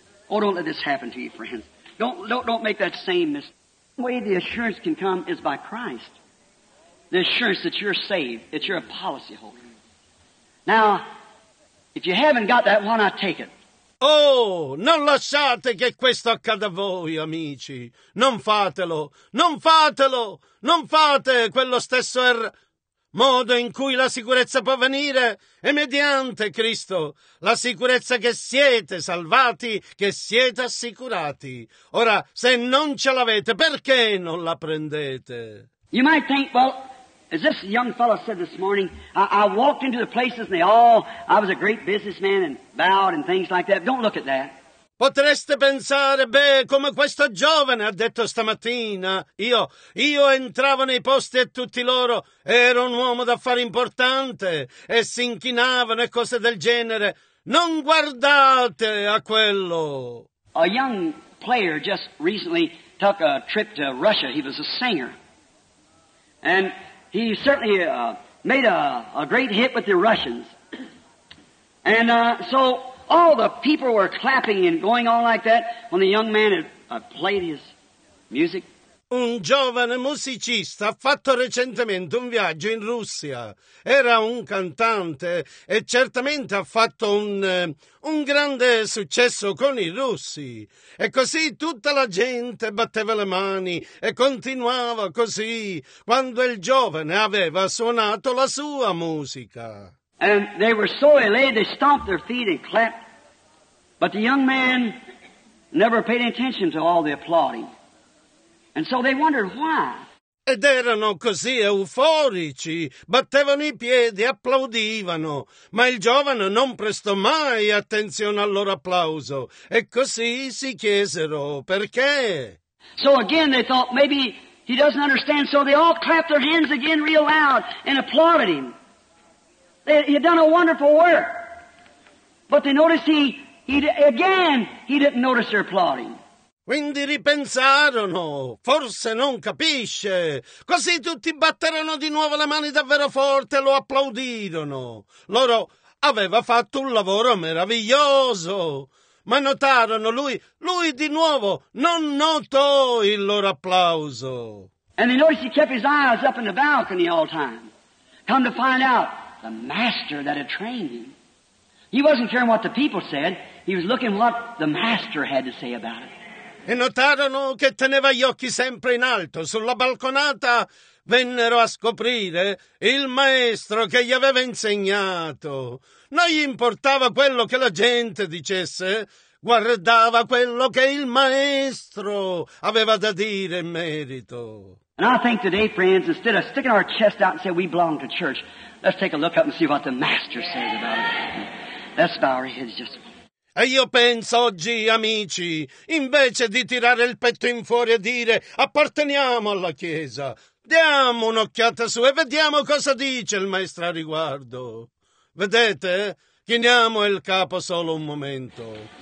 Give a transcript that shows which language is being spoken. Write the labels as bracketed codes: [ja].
[en] Oh, don't let this happen to you, friend. Don't make that same mistake. The way the assurance can come is by Christ. The assurance that you're saved, that you're a policy holder. Now, if you haven't got that, why not take it? [it] Oh, non lasciate che questo accada a voi, amici. Non fatelo. Non fatelo. Non fate quello stesso modo in cui la sicurezza può venire è mediante Cristo, la sicurezza che siete salvati, che siete assicurati. Ora, se non ce l'avete, perché non la prendete? [en] You might think, well, as this young fellow said this morning, I walked into the places and they all, I was a great businessman and bowed and things like that. Don't look at that. [it] Potreste pensare, beh, come questo giovane ha detto stamattina. Io entravo nei posti e tutti loro, ero un uomo d'affari importante, e si inchinavano e cose del genere. Non guardate a quello! [en] A young player just recently took a trip to Russia. He was a singer. And he certainly made a great hit with the Russians. And so all the people were clapping and going on like that when the young man had played his music. [it] Un giovane musicista ha fatto recentemente un viaggio in Russia. Era un cantante e certamente ha fatto un grande successo con i russi. E così tutta la gente batteva le mani e continuava così quando il giovane aveva suonato la sua musica. [en] And they were so elated, they stomped their feet and clapped. But the young man never paid attention to all the applauding. And so they wondered why. [it] Ed erano così euforici, battevano i piedi, applaudivano. Ma il giovane non prestò mai attenzione al loro applauso. E così si chiesero perché. [en] So again they thought maybe he doesn't understand. So they all clapped their hands again real loud and applauded him. He had done a wonderful work. But they noticed he didn't notice their applauding. [it] Quindi ripensarono, forse non capisce. Così tutti batterono di nuovo le mani davvero forte e lo applaudirono. Loro aveva fatto un lavoro meraviglioso. Ma notarono lui di nuovo non notò il loro applauso. [en] And they noticed he kept his eyes up in the balcony all time. Come to find out, the master that had trained him. He wasn't caring what the people said. He was looking what the master had to say about it. [it] E notarono che teneva gli occhi sempre in alto sulla balconata. Vennero a scoprire il maestro che gli aveva insegnato. Non gli importava quello che la gente dicesse. Guardava quello che il maestro aveva da dire in merito. [en] And I think today, friends, instead of sticking our chest out and saying we belong to church, let's take a look up and see what the master says about it. Let's bow our heads just. [it] E io penso oggi, amici, invece di tirare il petto in fuori e dire apparteniamo alla Chiesa, diamo un'occhiata su e vediamo cosa dice il maestro a riguardo. Vedete? Chiniamo il capo solo un momento.